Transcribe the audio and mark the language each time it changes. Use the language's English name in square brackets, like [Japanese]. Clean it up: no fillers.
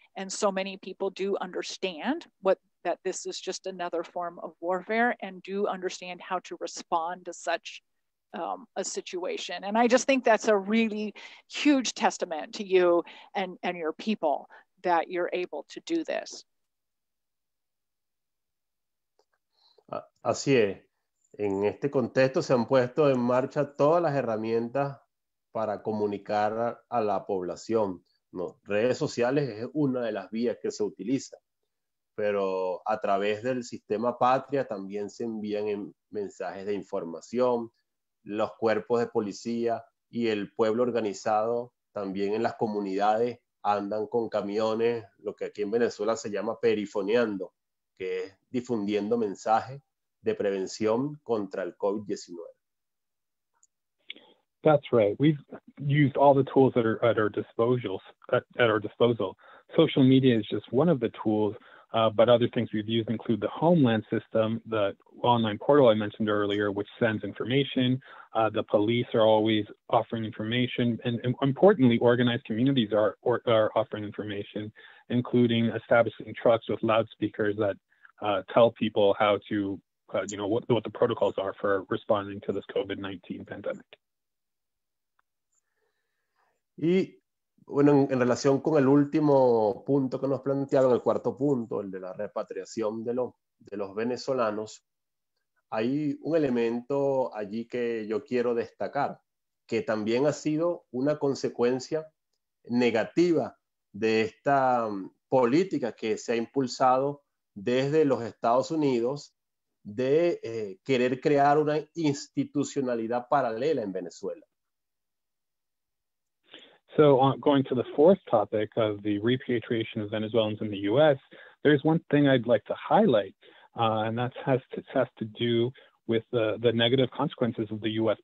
[English] And so many people do understand that this is just another form of warfare and do understand how to respond to such a situation. And I just think that's a really huge testament to you and your people that you're able to do this. [Spanish] Así es. En este contexto se han puesto en marcha todas las herramientas para comunicar a la población. No, redes sociales es una de las vías que se utiliza, pero a través del sistema Patria también se envían mensajes de información, los cuerpos de policía y el pueblo organizado también en las comunidades andan con camiones, lo que aquí en Venezuela se llama perifoneando, que es difundiendo mensajes de prevención contra el COVID-19. [English] That's right. We've used all the tools that are at our disposal. Social media is just one of the tools, but other things we've used include the Homeland system, the online portal I mentioned earlier, which sends information. The police are always offering information. And importantly, organized communities are offering information, including establishing trucks with loudspeakers that tell people how to, what the protocols are for responding to this COVID-19 pandemic. [Spanish] Y bueno, en relación con el último punto que nos plantearon, el cuarto punto, el de la repatriación de los venezolanos, hay un elemento allí que yo quiero destacar, que también ha sido una consecuencia negativa de esta política que se ha impulsado desde los Estados Unidos de querer crear una institucionalidad paralela en Venezuela. [English] So going to the fourth topic of the repatriation of Venezuelans in the U.S., there's one thing I'd like to highlight, and that has to do with the negative consequences of the U.S.